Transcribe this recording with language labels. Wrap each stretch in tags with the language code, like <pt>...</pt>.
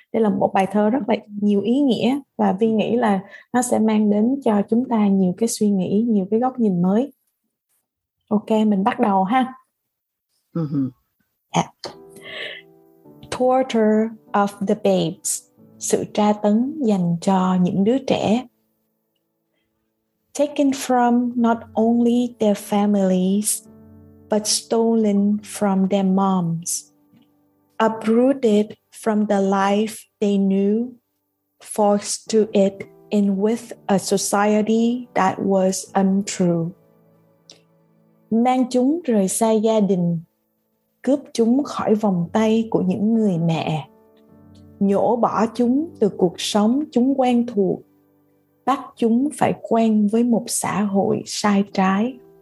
<vi>Đây là một bài thơ rất là nhiều ý nghĩa và Vi nghĩ là nó sẽ mang đến cho chúng ta nhiều cái suy nghĩ, nhiều cái góc nhìn mới. Ok, mình bắt đầu ha.</vi> <en>Torture of the babes,</en> <vi>sự tra tấn dành cho những đứa trẻ.</vi> <en>Taken from not only their families, but stolen from their moms, uprooted from the life they knew, forced to it in with a society that was untrue.</en> <vi>Mang chúng rời xa gia đình, cướp chúng khỏi vòng tay của những người mẹ, nhổ bỏ chúng từ cuộc sống chúng quen thuộc, bắt chúng phải quen với một xã hội sai trái.</vi>